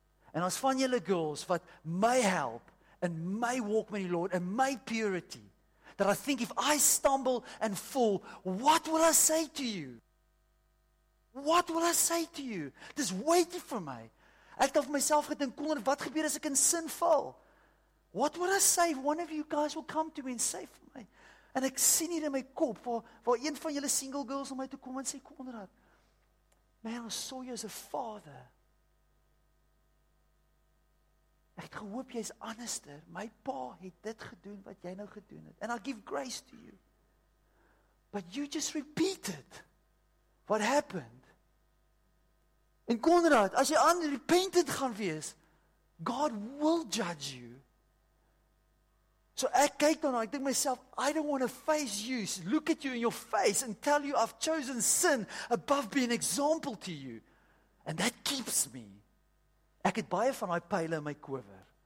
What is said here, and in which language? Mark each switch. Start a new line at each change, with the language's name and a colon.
Afrikaans: En as van julle girls wat my help,
English: and my walk with the Lord, and my purity, that I think if I stumble and fall, what will I say to you? What will I say to you? Just wait for me.
Afrikaans: Ek het myself gedink, Colin, wat gebeur as ek in sin val?
English: What will I say if one of you guys will come to me and say for me?
Afrikaans: And ek sien hier in my kop, waar een van julle single girls om my te kom en sê, Conrad, man,
English: I saw you as a father.
Afrikaans: Ek het gehoop jy is honester. My pa het dit gedoen wat jy nou gedoen het.
English: And I give grace to you. But you just repeated what happened.
Afrikaans: En Conrad, as jy unrepentant gaan wees,
English: God will judge you.
Afrikaans: So ek kyk dan, ek dink myself,
English: I don't want to face you. Look at you in your face and tell you I've chosen sin above being an example to you. And that keeps me.
Afrikaans: Ek het baie van daai pile in my kower.